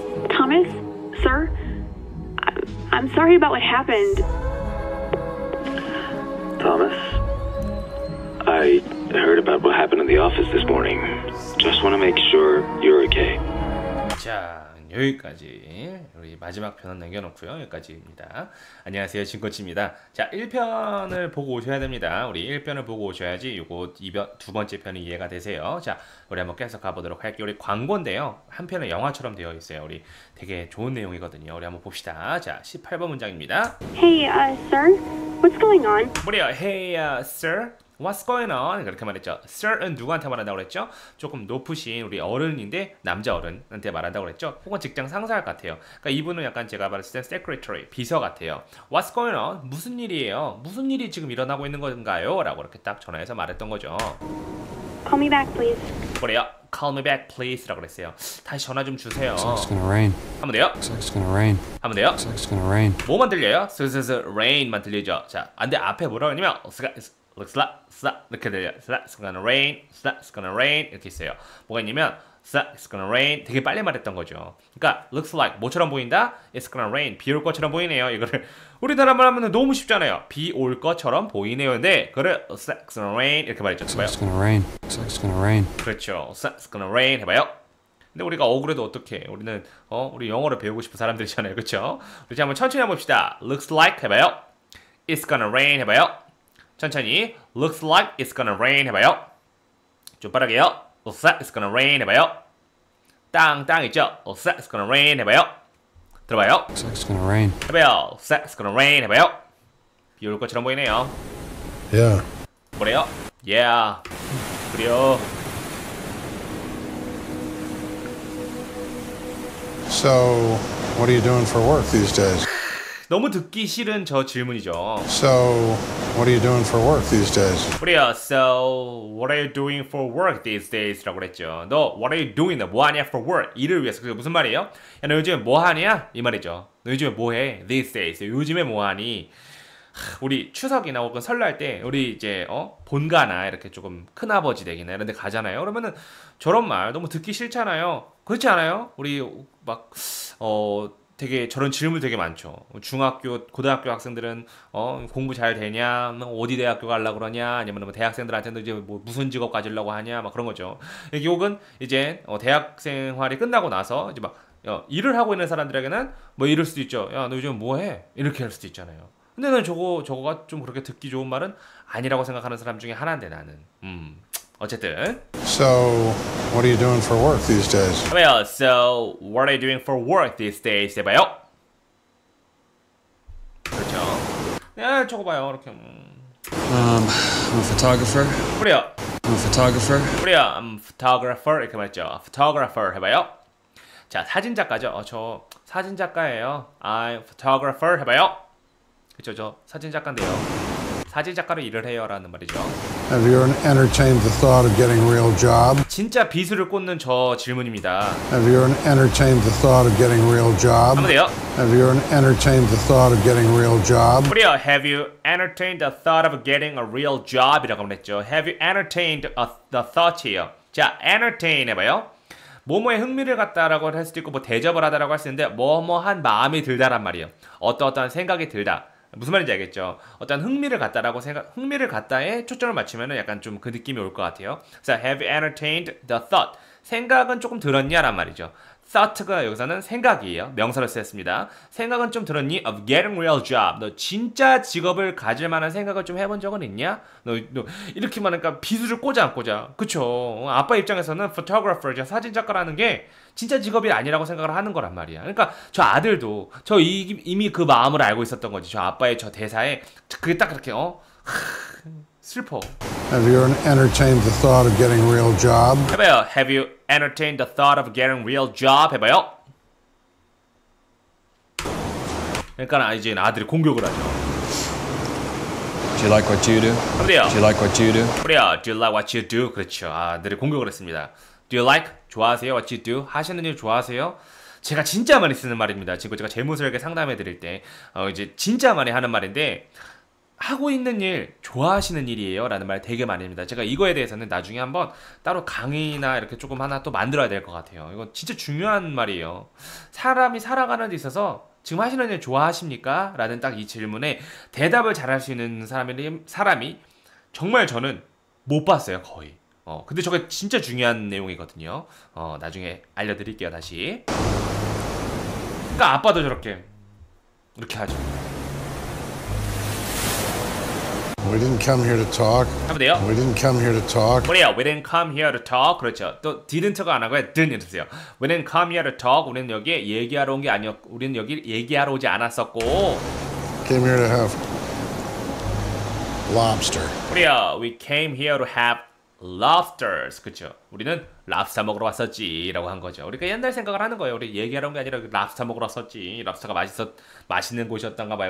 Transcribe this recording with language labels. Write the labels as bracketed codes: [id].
[en] Thomas, sir, I'm sorry about what happened. Thomas, I heard about what happened in the office this morning. Just want to make sure you're okay. [ko] 자, 여기까지. 우리 마지막 편은 남겨놓고요. 여기까지입니다. 안녕하세요. 진코치입니다. 자, 1편을 보고 오셔야 됩니다. 우리 1편을 보고 오셔야지 요거 2번, 두 번째 편이 이해가 되세요. 자, 우리 한번 계속 가보도록 할게요. 우리 광고인데요. 한 편은 영화처럼 되어 있어요. 우리 되게 좋은 내용이거든요. 우리 한번 봅시다. 자, 18번 문장입니다. [en] Hey, sir. What's going on? [ko] 뭐래요? [en] Hey, sir. What's going on? [ko] 그렇게 말했죠. Sir은 누구한테 말한다고 그랬죠? 조금 높으신 우리 어른인데 남자 어른한테 말한다고 그랬죠? 혹은 직장 상사 같아요. 그러니까 이분은 약간 제가 말했을 때 secretary, 비서 같아요. [en] What's going on? [ko] 무슨 일이에요? 무슨 일이 지금 일어나고 있는 건가요? 라고 이렇게 딱 전화해서 말했던 거죠. [en] Call me back, please. [ko] 뭐래요? [en] Call me back, please. [ko] 라고 그랬어요. 다시 전화 좀 주세요. [en] Looks like it's gonna rain. [ko] 하면 돼요? [en] Looks like it's gonna rain. [ko] 하면 돼요? [en] Looks like it's gonna rain. [ko] 뭐만 들려요? So, rain만 들리죠? 자, 안 돼. 앞에 뭐라고 했냐면 [en] Looks like look at that. It's gonna rain. It's gonna rain. [ko] 이렇게 있어요. 뭐가 있냐면 [en] It's gonna rain. [ko] 되게 빨리 말했던 거죠. 그러니까 [en] looks like [ko] 뭐처럼 보인다? [en] It's gonna rain. [ko] 비올 것처럼 보이네요. 이거를 우리나라 말 하면 너무 쉽잖아요. 비올 것처럼 보이네요. 근데 그걸 [en] It's gonna rain [ko] 이렇게 말했죠. [en] It's gonna rain. It's gonna rain. [ko] 그렇죠. [en] It's gonna rain [ko] 해 봐요. 근데 우리가 억울해도 어떡해? 우리는 우리 영어를 배우고 싶은 사람들이잖아요. 그렇죠? 이제 한번 천천히 해봅시다. [en] Looks like [ko] 해 봐요. [en] It's gonna rain [ko] 해 봐요. 천천히 [en] looks like it's gonna rain [ko] 해봐요. 좀 빠르게요. [en] looks like it's gonna rain [ko] 해봐요. 땅땅 있죠. [en] looks like it's gonna rain [ko] 해봐요. 들어봐요. [en] looks like it's gonna rain [ko] 해봐요. [en] looks like it's gonna rain [ko] 해봐요. 비 올 것처럼 보이네요. [en] yeah [ko] 뭐래요? yeah 그래요. [en] so what are you doing for work these days? [ko] 너무 듣기 싫은 저 질문이죠. [en] So, what are you doing for work these days? [ko] 그래요. [en] So, what are you doing for work these days? [ko] 라고 그랬죠. 너, [en] what are you doing? [ko] 뭐 하냐 [en] for work? [ko] 일을 위해서. 그게 무슨 말이에요? 야, 너 요즘에 뭐 하냐? 이 말이죠. 너 요즘에 뭐 해? [en] These days. [ko] 요즘에 뭐 하니? 우리 추석이나 혹은 설날 때 우리 이제 본가나 이렇게 조금 큰아버지 댁이나 이런 데 가잖아요. 그러면은 저런 말 너무 듣기 싫잖아요. 그렇지 않아요? 우리 막 되게 저런 질문 되게 많죠. 중학교, 고등학교 학생들은 공부 잘 되냐, 어디 대학교 가려고 그러냐, 아니면 뭐 대학생들한테도 이제 뭐 무슨 직업 가지려고 하냐, 막 그런 거죠. 여기 혹은 이제 대학 생활이 끝나고 나서 이제 막 일을 하고 있는 사람들에게는 뭐 이럴 수도 있죠. 야, 너 요즘 뭐 해? 이렇게 할 수도 있잖아요. 근데 난 저거가 좀 그렇게 듣기 좋은 말은 아니라고 생각하는 사람 중에 하나인데 나는. 어쨌든. [en] So, what are you doing for work these days? Well, so, what are you doing for work these days? [ko] 해봐요. 그렇죠. 네, 저거 봐요. 이렇게. [en] I'm a photographer. [ko] 그래요. [en] I'm a photographer. [ko] 그래요. [en] I'm a photographer. [ko] 이렇게 말했죠. Photographer. 해봐요. 자, 사진작가죠. 저 사진작가예요. [en] I'm a photographer. [ko] 해봐요. 그렇죠. 저 사진작가인데요. 사진작가로 일을 해요라는 말이죠. [en] Have you entertained the thought of getting a real job? [ko] 진짜 비수를 꽂는 저 질문입니다. [en] Have you entertained the thought of getting a real job? [ko] 하면 돼요. [en] Have you entertained the thought of getting a real job? [ko] 그래요. [en] Have you entertained the thought of getting a real job? [ko] 이라고 말했죠. [en] Have you entertained the thought [ko] 이에요. 자, [en] entertain [ko] 해봐요. 뭐뭐에 흥미를 갖다라고 할 수도 있고 뭐 대접을 하다라고 할 수 있는데 뭐뭐한 마음이 들다란 말이에요. 어떠한 생각이 들다. 무슨 말인지 알겠죠? 어떤 흥미를 갖다라고 생각, 흥미를 갖다에 초점을 맞추면은 약간 좀 그 느낌이 올 것 같아요. [en] So, have you entertained the thought? [ko] 생각은 조금 들었냐? 라는 말이죠. thought가 여기서는 생각이에요. 명사로 쓰였습니다. 생각은 좀 들었니? [en] of getting real job. [ko] 너 진짜 직업을 가질 만한 생각을 좀 해본 적은 있냐? 너 이렇게 말하니까 비수를 꽂아 안 꽂아. 그쵸. 아빠 입장에서는 photographer, 사진작가라는 게 진짜 직업이 아니라고 생각을 하는 거란 말이야. 그러니까 저 아들도 저 이미 그 마음을 알고 있었던 거지. 저 아빠의 저 대사에 그게 딱 그렇게 어? 슬퍼. [en] Have you entertained the thought of getting a real job? [ko] 해봐요. [en] Have you entertained the thought of getting a real job? [ko] 해봐요. 그러니까 이제 아들이 공격을 하죠. [en] Do you like what you do? [ko] 그래요. [en] Do you like what you do? [ko] 그래요. [en] Do you like what you do? [ko] 그렇죠. 아들이 공격을 했습니다. [en] Do you like? [ko] 좋아하세요? [en] What you do? [ko] 하시는 일 좋아하세요? 제가 진짜 많이 쓰는 말입니다. 지금 제가 재무설계 상담해 드릴 때 이제 진짜 많이 하는 말인데 하고 있는 일, 좋아하시는 일이에요? 라는 말 되게 많이 합니다. 제가 이거에 대해서는 나중에 한번 따로 강의나 이렇게 조금 하나 또 만들어야 될 것 같아요. 이건 진짜 중요한 말이에요. 사람이 살아가는 데 있어서 지금 하시는 일 좋아하십니까? 라는 딱 이 질문에 대답을 잘할 수 있는 사람이 정말 저는 못 봤어요, 거의. 근데 저게 진짜 중요한 내용이거든요. 나중에 알려드릴게요, 다시. 그러니까 아빠도 저렇게 이렇게 하죠. [en] We didn't come here to talk. [ko] 해보세요. [en] We didn't come here to talk. [ko] 뭐예요? [en] We didn't come here to talk. [ko] 그렇죠. 또 didn't가 안 하고 didn't 해주세요. [en] We didn't come here to talk. [ko] 우리는 여기 얘기하러 온 게 아니었고 우리는 여기 얘기하러 오지 않았었고 [en] came here to have lobster. [ko] 뭐예요? [en] We came here to have lobsters. [ko] 그렇죠. 우리는 랍스터 먹으러 왔었지 라고 한 거죠. 우리가 옛날 생각을 하는 거예요. 우리 얘기하러 온 게 아니라 랍스터 먹으러 왔었지. 랍스터가 맛있는 곳이었던가 봐요.